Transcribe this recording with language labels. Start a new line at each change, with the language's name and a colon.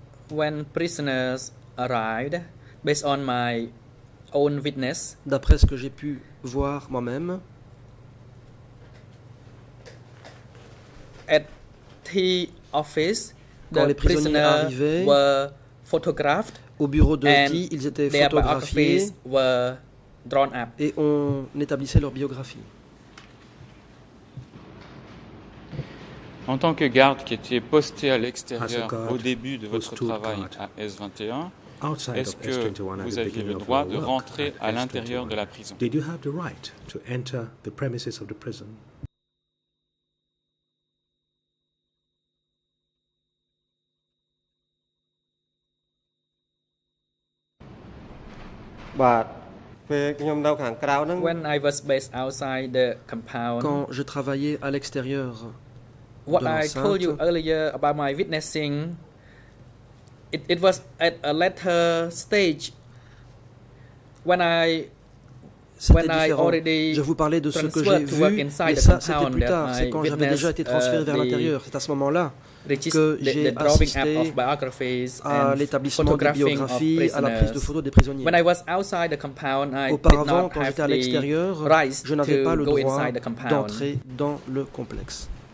English: When prisoners arrived, based on my own witness,
French: d'après ce que j'ai pu voir moi-même,
English: at the office, the prisoners were photographed,
French: au bureau de TI, ils étaient photographiés,
English: were drawn up.
French: Et on établissait leur biographie. En tant que garde qui était posté à l'extérieur au début de votre travail à S21, est-ce que vous aviez le droit de rentrer à l'intérieur de la prison?
English: Did you have the right to enter the premises of the prison? When I was based outside the compound,
French: quand je travaillais à l'extérieur,
English: what I told you earlier about my witnessing, it was at a later stage when I already
French: je vous parlais de ce que j'ai vu, mais ça c'était plus tard, c'est quand j'avais déjà été transféré vers l'intérieur, c'est à ce moment-là que j'ai assisté à l'établissement des biographies, à la prise de photos des prisonniers.
English: When I was outside the compound, I
French: auparavant, quand j'étais à l'extérieur, je n'avais pas le droit d'entrer dans le complexe.